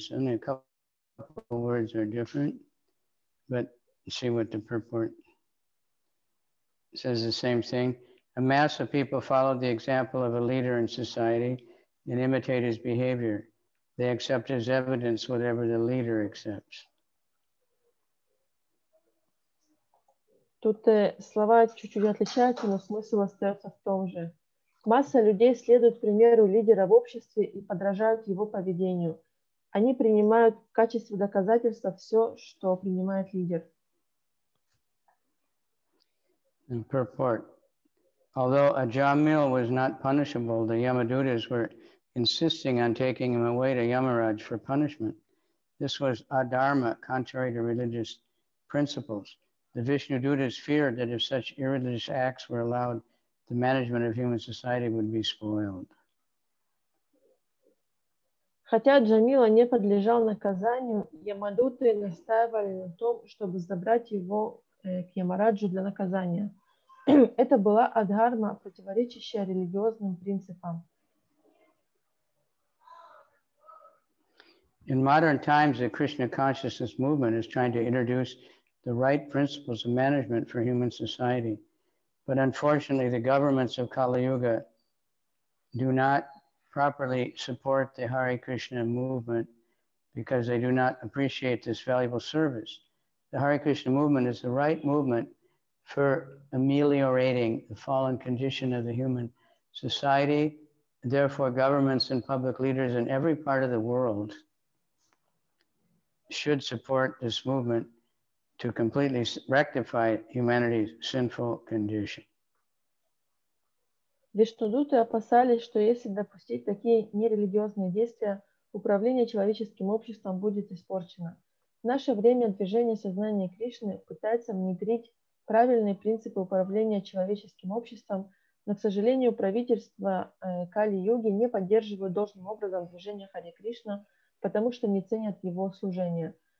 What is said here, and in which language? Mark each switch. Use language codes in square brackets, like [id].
[en] So a couple of words are different, but see what the purport says. The same thing. A mass of people follow the example of a leader in society and imitate his behavior. They accept as evidence whatever the leader accepts. [ru] Тут слова чуть-чуть отличаются, но смысл остается в том же. Масса людей следует примеру лидера в обществе и подражают его поведению. Они принимают в качестве доказательства все, что принимает лидер. [en] In purport. Although Ajamil was not punishable, the Yamadutas were insisting on taking him away to Yamaraj for punishment. This was adharma, contrary to religious principles. The Vishnu Dutas feared that if such irreligious acts were allowed, the management of human society would be spoiled. [ru] Хотя Джамила не подлежал наказанию, Ямадуты настаивали на том, чтобы забрать его к Ямараджу для наказания. Это была адхарма, противоречащая религиозным принципам. [en] In modern times, the Krishna consciousness movement is trying to introduce the right principles of management for human society. But unfortunately, the governments of Kali Yuga do not properly support the Hare Krishna movement because they do not appreciate this valuable service. The Hare Krishna movement is the right movement for ameliorating the fallen condition of the human society. Therefore, governments and public leaders in every part of the world should support this movement to completely rectify humanity's sinful condition. [ru] Виштудуты опасались, что если допустить такие нерелигиозные действия, управление человеческим обществом будет испорчено. В наше время движение сознания Кришны пытается внедрить правильные принципы управления человеческим обществом, но, к сожалению, правительства Кали-Юги не поддерживают должным образом движение Харе Кришна, потому что не ценят его служение.